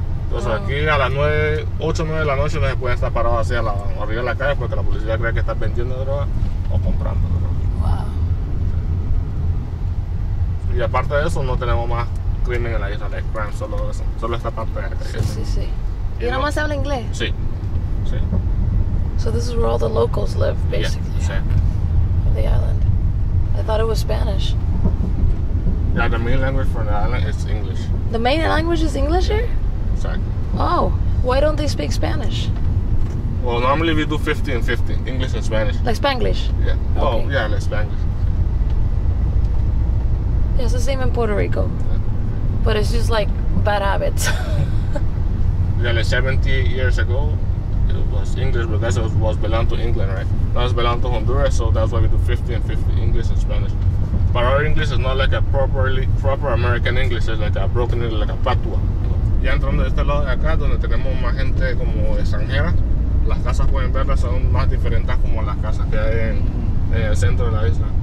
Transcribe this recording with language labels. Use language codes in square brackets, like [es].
[es] Entonces aquí a las 9, 8, 9 de la noche no se puede estar parado así arriba de la calle porque la policía cree que estás vendiendo droga o comprando droga. Wow. Sí. Y aparte de eso, no tenemos más crimen en la isla, el crime, solo eso, solo esta parte de la calle. Sí, sí, sí. ¿Y nada más habla inglés? Sí, sí. [en] So this is where all the locals live, basically. Yeah, exactly. On the island. I thought it was Spanish. Yeah, the main language for the island is English. The main language is English here? Exactly. Oh, why don't they speak Spanish? Well, normally we do 50 and 50, English and Spanish. Like Spanglish? Yeah. Okay. Oh, yeah, like Spanglish. Yeah, it's the same in Puerto Rico. Yeah. But it's just like bad habits. Yeah, like 70 years ago, it was English because it was belong to England, right? Now it's belong to Honduras, so that's why we do 50 and 50, English and Spanish. But our English is not like a proper American English, it's like a broken English, like a patois. [es] Y entrando de este lado de acá, donde tenemos más gente como extranjera, las casas pueden verlas son más diferentes como las casas que hay en el centro de la isla.